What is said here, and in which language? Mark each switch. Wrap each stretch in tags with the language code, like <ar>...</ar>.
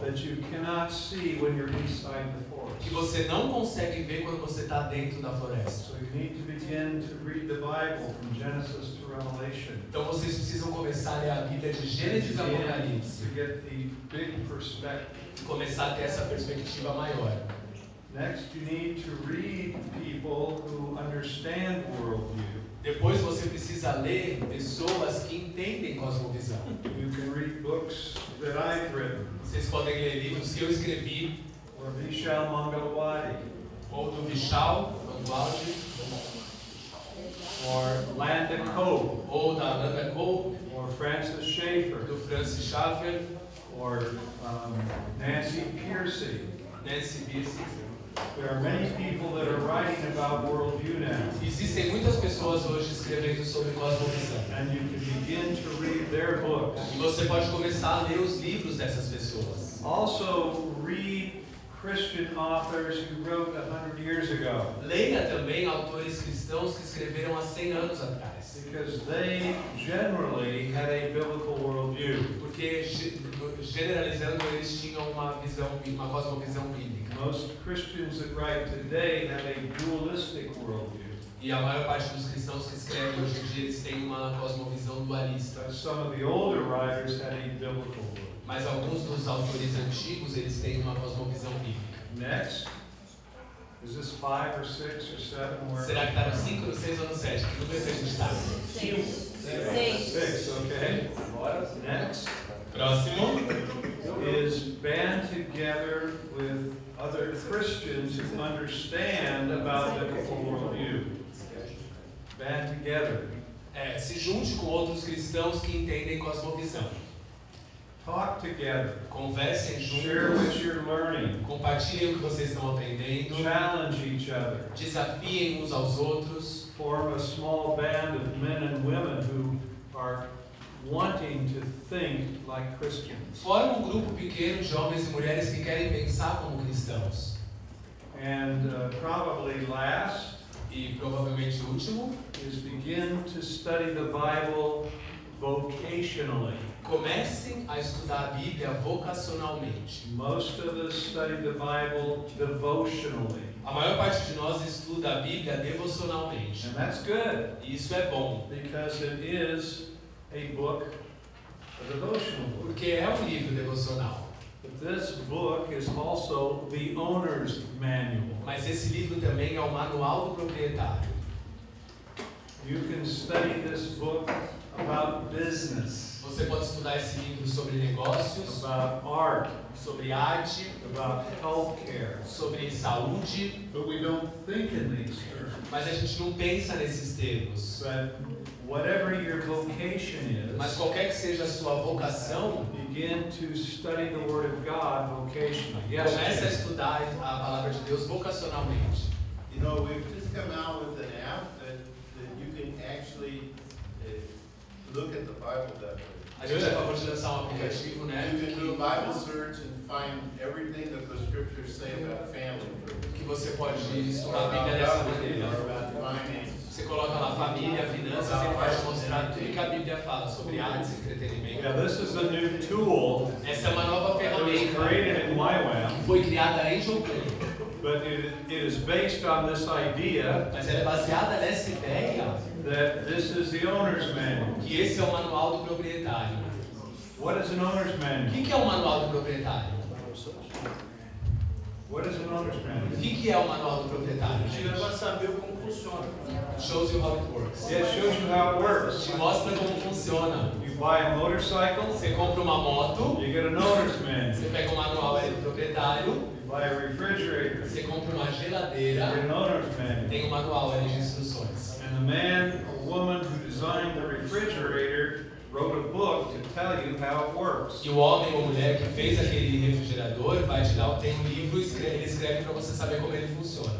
<en>That you cannot see when you're inside the forest.</en> <pt>Que você não consegue ver quando você está dentro da floresta.</pt> <en>So you need to begin to read the Bible from Genesis to Revelation.</en> <pt>Então vocês precisam começar a ler a Bíblia de Gênesis a Apocalipse.</pt> <en>To get the big perspective.</en> <pt>Começar a ter essa perspectiva maior.</pt> <en>Next, you need to read people who understand worldview.</en> <pt>Depois você precisa ler pessoas que entendem cosmovisão.</pt> <en>You can read books that I've written.</en> <pt>Vocês podem ler livros que eu escrevi.</pt> <en>Or Vishal Mangalwadi.</en> <pt>Ou do Vishal Mangalwadi.</pt> <en>Or Landa Cope.</en> <pt>Ou da Landa Cope.</pt> <en>Or Francis Schaeffer.</en> <pt>Do Francis Schaeffer.</pt> <en>Or Nancy Piercy.</en> <pt>Nancy Piercy.</pt> <en>There are many people that are writing about worldview now.</en> <pt>Existem muitas pessoas hoje escrevendo sobre cosmovisão.</pt> <en>And you can begin to read their books.</en> <pt>E você pode começar a ler os livros dessas pessoas.</pt> <en>Also, read Christian authors who wrote 100 years ago.</en> <pt>Leia também autores cristãos que escreveram há 100 anos atrás.</pt> <en>Because they generally had a biblical worldview.</en> <pt>Porque generalizando eles tinham uma cosmovisão bíblica.</pt> <en>Most Christians that write today have a dualistic worldview.</en> <pt>E a maior parte dos cristãos que escrevem hoje em dia eles têm uma cosmovisão dualista.</pt> <en>Some of the older writers had a biblical worldview.</en> <pt>Mas alguns dos autores antigos, eles têm uma cosmovisão bíblica.</pt> <en>Next. Is this 5 or 6 or 7 or...</en> <pt>Será que está no 5, no 6 ou no 7? Que número que a gente está?</pt> <en>6.</en> <pt>6, ok. Bora.</pt> <en>Next.</en> <pt>Próximo.</pt> <en>Is band together with other Christians who understand about the biblical worldview. Band together.</en> <pt>É, se junte com outros cristãos que entendem cosmovisão.</pt> <en>Talk together.</en> <pt>Conversem juntos.</pt> <en>Share what you're learning.</en> <pt>Compartilhem o que vocês estão aprendendo.</pt> <en>Challenge each other.</en> <pt>Desafiem uns aos outros.</pt> <en>Form a small band of men and women who are wanting to think like Christians.</en> <pt>Forme um grupo pequeno de homens e mulheres que querem pensar como cristãos.</pt> <en>And probably last.</en> <pt>E provavelmente o último.</pt> <en>Is begin to study the Bible vocationally.</en> <pt>Comecem a estudar a Bíblia vocacionalmente.</pt> <en>Most of us study the Bible devotionally.</en> <pt>A maior parte de nós estuda a Bíblia devocionalmente.</pt> <en>And that's good.</en> <pt>E isso é bom.</pt> <en>Because it is a book, a devotional book.</en> <pt>Porque é um livro devocional.</pt> <en>But this book is also the owner's manual.</en> <pt>Mas esse livro também é o manual do proprietário.</pt> <en>You can study this book about business.</en> <pt>Você pode estudar esse livro sobre negócios,</pt> <en>about art,</en> <pt>sobre arte,</pt> <en>about healthcare,</en> <pt>sobre saúde,</pt> <en>but we don't think in these terms.</en> <pt>Mas a gente não pensa nesses termos.</pt> <en>But whatever your vocation is,</en> <pt>mas qualquer que seja a sua vocação,</pt> <en>begin to study the word of God vocationally. Yes,</en> <pt>comece a estudar a palavra de Deus vocacionalmente.</pt> <en>You know, we've just come out with an app that you can actually look at the Bible that way.</en> <pt>A gente acabou de lançar um aplicativo, né?</pt> <en>You can do a Bible search and find everything that the scriptures say about family.</en> <pt>Que você pode estudar a Bíblia dessa maneira. Você coloca lá família, finanças e vai mostrar tudo que a Bíblia fala sobre artes e entretenimento.</pt> <en>Yeah, this is a new tool.</en> <pt>Essa é uma nova ferramenta.</pt> <en>It was created in YWAM.</en> <pt>Foi criada em YWAM.</pt> <en>But it is based on this idea.</en> <pt>Mas ela é baseada nessa ideia.</pt> <en>That this is the owner's manual.</en> <pt>Que esse é o manual do proprietário.</pt> <en>What is an owner's manual?</en> <pt>Que é o manual do proprietário?</pt> <en>What is an owner's manual?</en> <pt>Que é o manual do proprietário? Chega para saber como funciona.</pt> <en>Shows you how it works. Yeah, shows you how it works.</en> <pt>Te mostra como funciona.</pt> <en>You buy a motorcycle.</en> <pt>Você compra uma moto.</pt> <en>You get an owner's manual.</en> <pt>Você pega o manual do proprietário.</pt> <en>You buy a refrigerator.</en> <pt>Você compra uma geladeira.</pt> <en>You get an owner's manual.</en> <pt>Tem um manual de instruções.</pt> <en>And the man or woman who designed the refrigerator wrote a book to tell you how it works.</en> <pt>E o homem ou mulher que fez aquele refrigerador vai te dar um livro e ele escreve para você saber como ele funciona.</pt>